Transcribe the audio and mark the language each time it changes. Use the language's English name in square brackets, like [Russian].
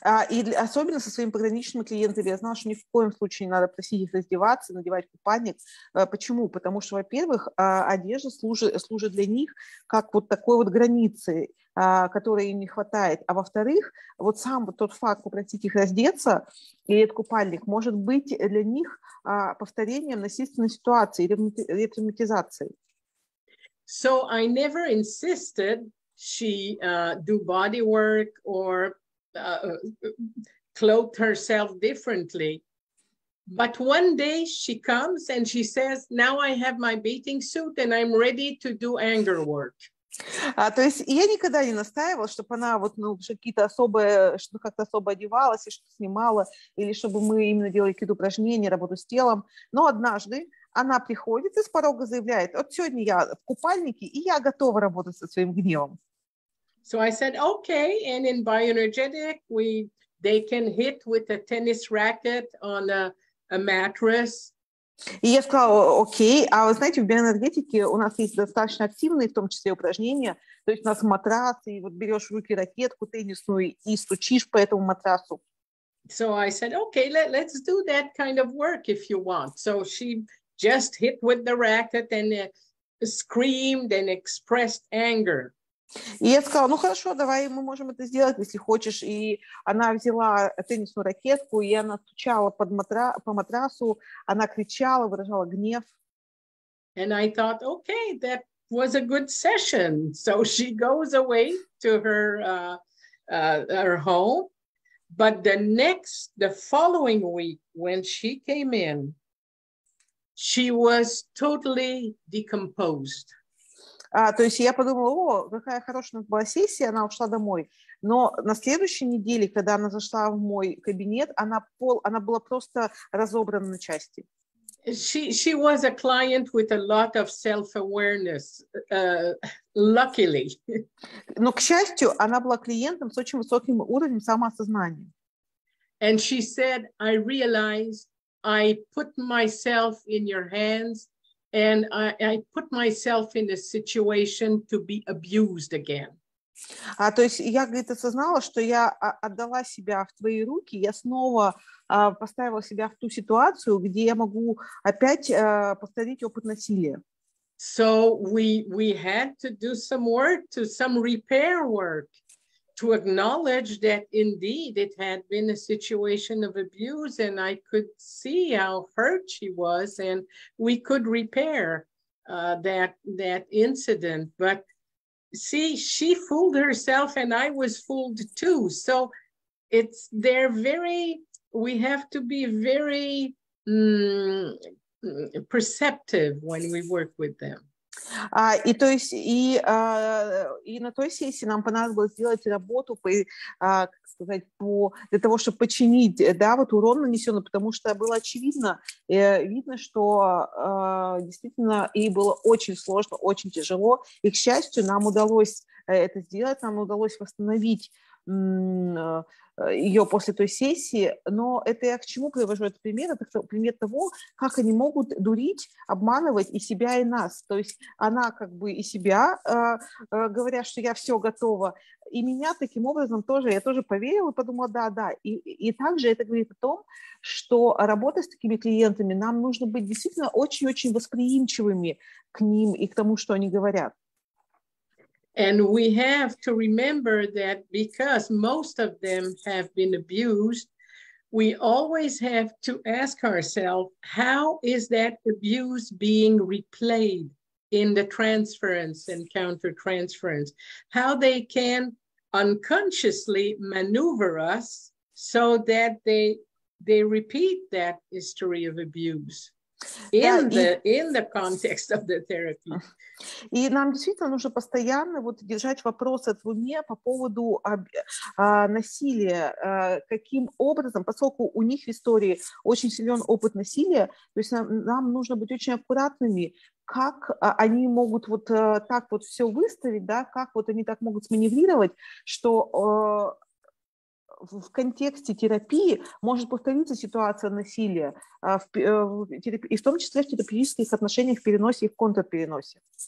[Russian] И особенно со своими пограничными клиентами, я знаю, что ни в коем случае не надо просить их раздеваться, надевать купальник. Почему? Потому что, во-первых, одежда служит для них как вот такой вот границы, которой им не хватает. А во-вторых, вот сам вот тот факт попросить их раздеться и этот купальник может быть для них повторением насильственной ситуации или ретравматизации. [English] So I never insisted she do body work or clothed herself differently. But one day she comes and she says, now I have my bathing suit and I'm ready to do anger work. [Russian] То есть я никогда не настаивала, чтобы она вот, ну, какие-то особые, что как-то особо одевалась и что снимала, или чтобы мы именно делали какие-то упражнения, работу с телом. Но однажды она приходит и с порога заявляет, вот сегодня я в купальнике, и я готова работать со своим гневом. [English] So I said, okay, and in bioenergetic, they can hit with a tennis racket on a mattress. [Russian] И я сказала, окей, а вы знаете, в биоэнергетике у нас есть достаточно активные, в том числе, упражнения. То есть у нас матрас, и вот берешь в руки ракетку теннисную и стучишь по этому матрасу. [English] So I said, okay, let's do that kind of work if you want. So she just hit with the racket and screamed and expressed anger. [Russian] И я сказала, ну хорошо, давай мы можем это сделать, если хочешь. И она взяла теннисную ракетку, и она стучала по матрасу, она кричала, выражала гнев. [English] And I thought, okay, that was a good session. So she goes away to her, her home. But the following week, when she came in, she was totally decomposed. [Russian] То есть я подумала, о, какая хорошая была сессия, она ушла домой. Но на следующей неделе, когда она зашла в мой кабинет, она была просто разобрана на части. [English] She was a client with a lot of self-awareness, luckily. [Russian] Но, к счастью, она была клиентом с очень высоким уровнем самоосознания. [English] And she said, I realized I put myself in your hands. And I put myself in a situation to be abused again. [Russian] То есть я, говорит, осознала, что я отдала себя в твои руки, я снова поставила себя в ту ситуацию, где я могу опять повторить опыт насилия. [English] So we had to do some work, to some repair work, to acknowledge that indeed it had been a situation of abuse and I could see how hurt she was and we could repair that incident. But see, she fooled herself and I was fooled too. So we have to be very perceptive when we work with them. [Russian] И на той сессии нам понадобилось сделать работу для того, чтобы починить, да, вот урон нанесенный, потому что было очевидно, видно, что действительно ей было очень сложно, очень тяжело, и, к счастью, нам удалось это сделать, нам удалось восстановить ее после той сессии. Но это я к чему привожу этот пример? Это пример того, как они могут дурить, обманывать и себя, и нас. То есть она как бы и себя говорят, что я все готова, и меня таким образом тоже, я тоже поверила и подумала, да-да. И также это говорит о том, что работая с такими клиентами, нам нужно быть действительно очень-очень восприимчивыми к ним и к тому, что они говорят. [English] And we have to remember that because most of them have been abused, we always have to ask ourselves, how is that abuse being replayed in the transference and counter-transference? How they can unconsciously maneuver us so that they repeat that history of abuse in the context of the therapy. [Russian] И нам действительно нужно постоянно вот держать вопрос в уме по поводу насилия, каким образом, поскольку у них в истории очень силен опыт насилия, то есть нам нужно быть очень аккуратными, как они могут вот так вот все выставить, да, как вот они так могут сманеврировать, что в контексте терапии может повториться ситуация насилия, и в том числе в терапевтических отношениях, в переносе и в контрпереносе.